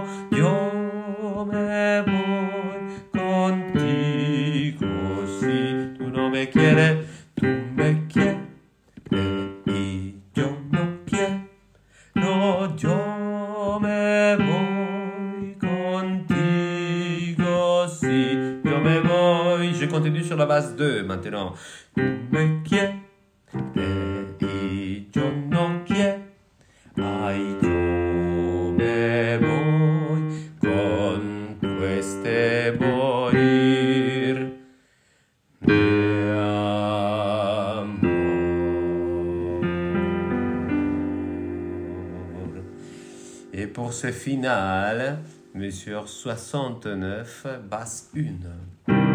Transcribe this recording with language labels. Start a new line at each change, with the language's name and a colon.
Spanish: Yo me voy contigo, si tú no me quieres, tú me quieres, y yo no quiero, no, yo me voy contigo, si yo me voy.
French: Je continue sur la base 2 maintenant.
Spanish: Tú me quieres, y yo no quiero, ay, yo me voy con tu este morir de amor.
French: Et pour ce final, mesure 69, basse 1.